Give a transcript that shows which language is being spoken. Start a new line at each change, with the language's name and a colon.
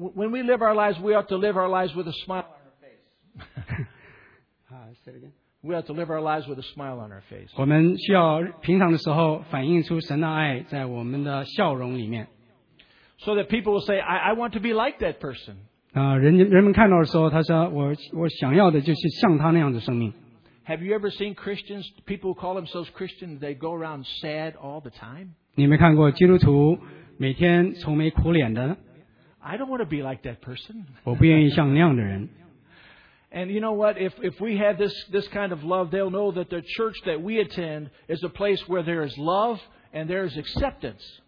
English: we live our lives, we ought to live our lives with a smile on our face. Say it again. We ought to live our lives with a smile on our face.
Chinese: 我们需要平常的时候反映出神的爱在我们的笑容里面。
English: So that people will say, I want to be like that person.
Chinese: 人们看到的时候，他说我想要的就是像他那样的生命。
English: Have you ever seen Christians, people who call themselves Christians, they go around sad all the time?
Chinese: 你没看过基督徒每天愁眉苦脸的？
English: I don't want to be like that person.
Chinese: 我不愿意像那样的人。
English: And you know what, if we have this kind of love, they'll know that the church that we attend is a place where there is love and there is acceptance.